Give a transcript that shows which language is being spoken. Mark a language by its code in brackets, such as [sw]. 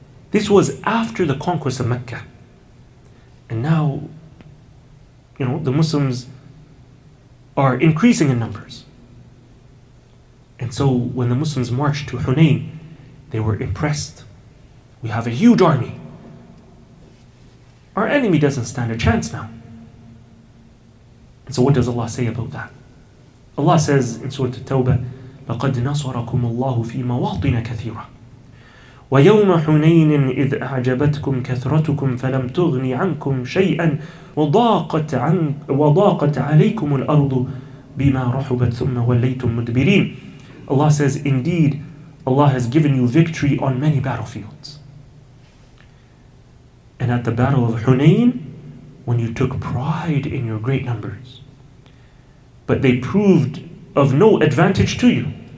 [en] This was after the conquest of Mecca. And now, you know, the Muslims are increasing in numbers. And so when the Muslims marched to Hunayn, they were impressed. We have a huge army. Our enemy doesn't stand a chance now. And so what does Allah say about that? Allah says in Surah At-Tawbah, [ar] لَقَدْ نَصَرَكُمُ اللَّهُ فِي مَوَاطِنَ كَثِيرًا وَيَوْمَ حُنَيْنٍ إِذْ أَعْجَبَتْكُمْ كَثْرَتُكُمْ فَلَمْ تُغْنِ عَنْكُمْ شَيْئًا وَضَاقَتْ عَلَيْكُمُ الْأَرْضُ بِمَا رَحُبَتْ ثُمَّ وَلَّيْتُمْ مُدْبِرِينَ. [en] Allah says, indeed, Allah has given you victory on many battlefields. And at the Battle of Hunayn, when you took pride in your great numbers, but they proved of no advantage to you.